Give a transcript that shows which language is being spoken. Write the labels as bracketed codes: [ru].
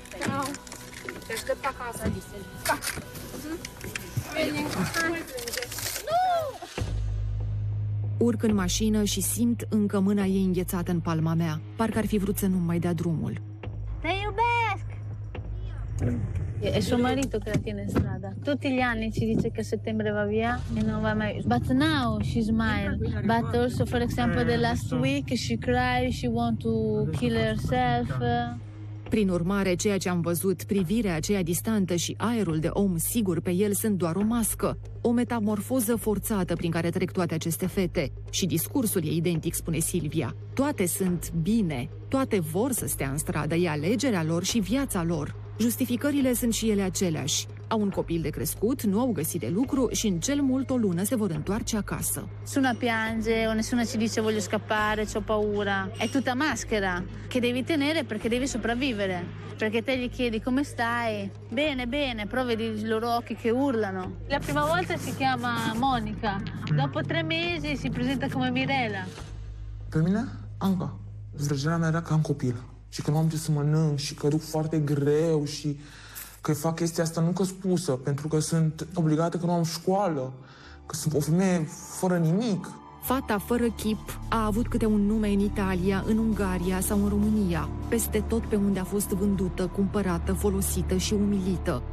[ro] Ciao! Te aștept acasă, Lisele. Nu! Urc în mașină și simt încă mâna ei înghețată în palma mea. Parcă ar fi vrut să nu mai dea drumul. Te iubesc! [it] E suo marito che la tiene in strada. Tutti gli anni ci dice che a settembre va via e non va mai. [en] But now she smiles. But also, for example, the last week she cried, she want to kill herself. [ro] Prin urmare, ceea ce am văzut, privirea aceea distantă și aerul de om sigur pe el sunt doar o mască, o metamorfoză forțată prin care trec toate aceste fete. Și discursul e identic, spune Silvia. Toate sunt bine, toate vor să stea în stradă, e alegerea lor și viața lor. Justificările sunt și ele aceleași. Au un copil de crescut, nu au găsit de lucru și în cel mult o lună se vor întoarce acasă. [it] Suna piange, o nessuna ci dice voglio scappare, c'ho paura. È tutta maschera che devi tenere perché devi sopravvivere. Perché te gli chiedi come stai? Bene, bene, però vedi i loro occhi che urlano. La prima volta si chiama Monica, dopo 3 mesi si presenta come Mirela. Per me? [ro] Anca. Zdrăgerea mea era ca un copil. Și că nu am ce să mănânc și că duc foarte greu și că fac chestia asta nu că spusă, pentru că sunt obligată că nu am școală, că sunt o femeie fără nimic. Fata fără chip a avut câte un nume în Italia, în Ungaria sau în România, peste tot pe unde a fost vândută, cumpărată, folosită și umilită.